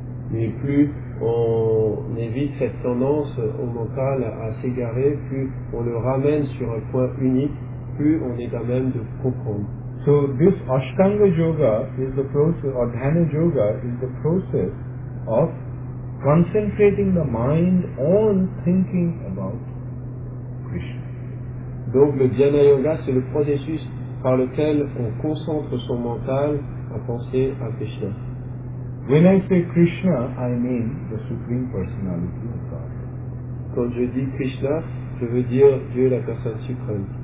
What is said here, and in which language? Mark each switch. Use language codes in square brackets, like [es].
[fr] ni plus on évite cette tendance au mental à s'égarer, plus on le ramène sur un point unique, plus on est à même de comprendre. [en] So this Ashtanga Yoga is the process, or Dhyana Yoga is the process of concentrating the mind on thinking about Krishna. [fr] Donc le Dhyana Yoga, c'est le processus par lequel on concentre son mental à penser à Krishna. [en] When I say Krishna, I mean the Supreme Personality of God. [fr] Quand je dis Krishna, je veux dire Dieu, la personne suprême.